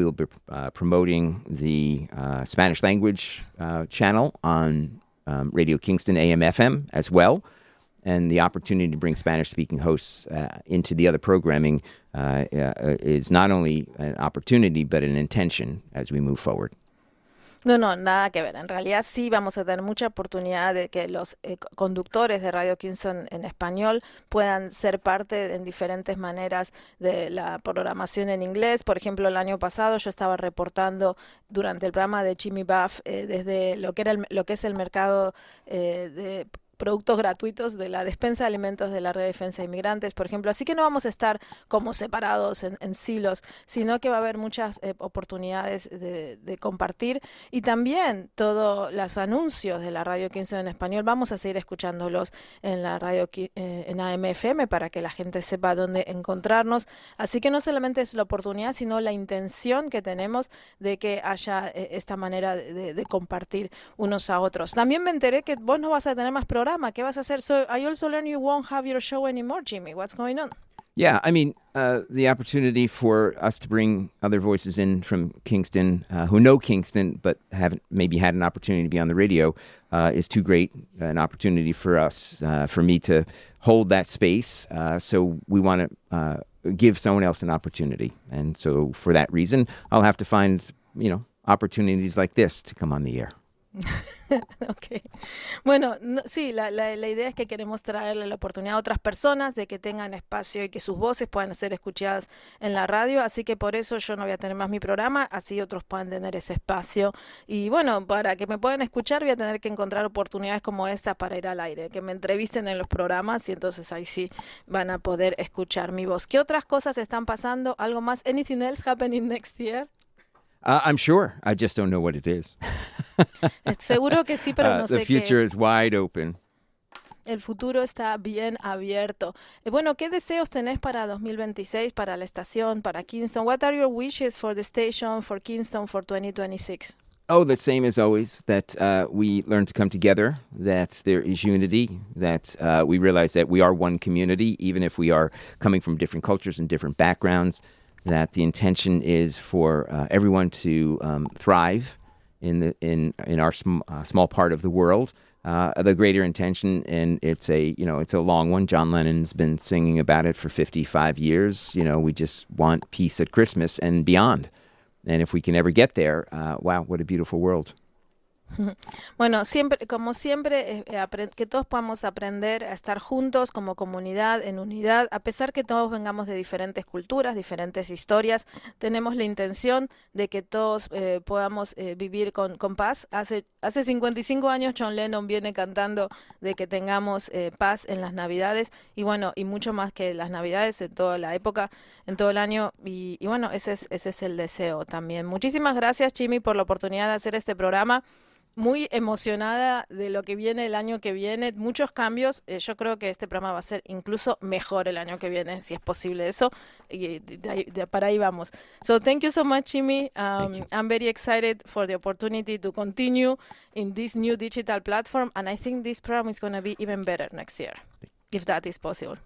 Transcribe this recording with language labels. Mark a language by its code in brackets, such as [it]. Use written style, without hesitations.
[en] We'll be promoting the Spanish language channel on Radio Kingston AM/FM as well, and the opportunity to bring Spanish-speaking hosts into the other programming is not only an opportunity, but an intention as we move forward. [es] No, nada que ver. En realidad sí vamos a tener mucha oportunidad de que los conductores de Radio Kingston en español puedan ser parte en diferentes maneras de la programación en inglés. Por ejemplo, el año pasado yo estaba reportando durante el programa de Jimmy Buff desde lo que es el mercado de productos gratuitos de la despensa de alimentos de la Red de Defensa de Inmigrantes, por ejemplo. Así que no vamos a estar como separados en silos, sino que va a haber muchas oportunidades de compartir. Y también todos los anuncios de la Radio Kingston en español, vamos a seguir escuchándolos en la radio en AM/FM para que la gente sepa dónde encontrarnos. Así que no solamente es la oportunidad, sino la intención que tenemos de que haya esta manera de compartir unos a otros. También me enteré que vos no vas a tener más programa. ¿Qué vas a hacer? [en] So I also learned you won't have your show anymore, Jimmy. What's going on? Yeah, I mean, the opportunity for us to bring other voices in from Kingston who know Kingston but haven't maybe had an opportunity to be on the radio is too great an opportunity for us, for me to hold that space. So we want to give someone else an opportunity. And so for that reason, I'll have to find, you know, opportunities like this to come on the air. Okay. [es] Bueno, no, sí, la idea es que queremos traerle la oportunidad a otras personas de que tengan espacio y que sus voces puedan ser escuchadas en la radio, así que por eso yo no voy a tener más mi programa, así otros puedan tener ese espacio. Y bueno, para que me puedan escuchar voy a tener que encontrar oportunidades como esta para ir al aire, que me entrevisten en los programas y entonces ahí sí van a poder escuchar mi voz. ¿Qué otras cosas están pasando? ¿Algo más? [en] ¿Anything else happening next year? I'm sure. I just don't know what it is. [es] Seguro que sí, pero no sé qué es. [en] The future is wide open. [es] El futuro está bien abierto. Bueno, ¿qué deseos tenés para 2026, para la estación, para Kingston? [en] What are your wishes for the station, for Kingston, for 2026? Oh, the same as always, that we learn to come together, that there is unity, that we realize that we are one community, even if we are coming from different cultures and different backgrounds. That the intention is for everyone to thrive in our small part of the world. The greater intention, and it's a long one. John Lennon's been singing about it for 55 years. You know, we just want peace at Christmas and beyond. And if we can ever get there, wow, what a beautiful world. [es] Bueno, siempre, como siempre, que todos podamos aprender a estar juntos como comunidad, en unidad, a pesar que todos vengamos de diferentes culturas, diferentes historias, tenemos la intención de que todos podamos vivir con paz. Hace 55 años John Lennon viene cantando de que tengamos paz en las Navidades, y bueno, y mucho más que las Navidades, en toda la época, en todo el año, y bueno, ese es el deseo también. Muchísimas gracias, Jimmy, por la oportunidad de hacer este programa. Muy emocionada de lo que viene el año que viene, muchos cambios. Yo creo que este programa va a ser incluso mejor el año que viene, si es posible eso. Y para ahí vamos. [en] So thank you so much, Jimmy. I'm very excited for the opportunity to continue in this new digital platform, and I think this program is going to be even better next year, if that is possible.